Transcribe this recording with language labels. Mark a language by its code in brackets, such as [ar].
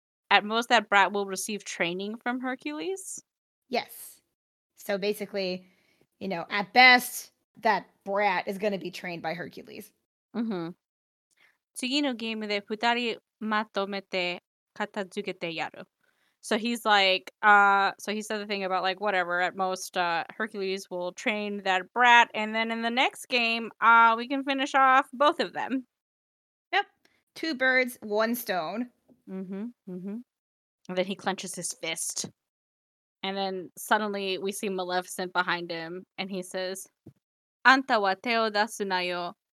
[en] At most, that brat will receive training from Hercules? Yes. So basically, you know, at best, that brat is going to be trained by Hercules. Mm-hmm. [ja] 次のゲームで二人まとめて片付けてやる。 [en] So he's like, so he said the thing about like, whatever, at most, Hercules will train that brat. And then in the next game, we can finish off both of them. Yep. Two birds, one stone. Mm-hmm. Mm-hmm. And then he clenches his fist. And then suddenly we see Maleficent behind him, and he says, [ja] "Anta wa te o dasu na yo.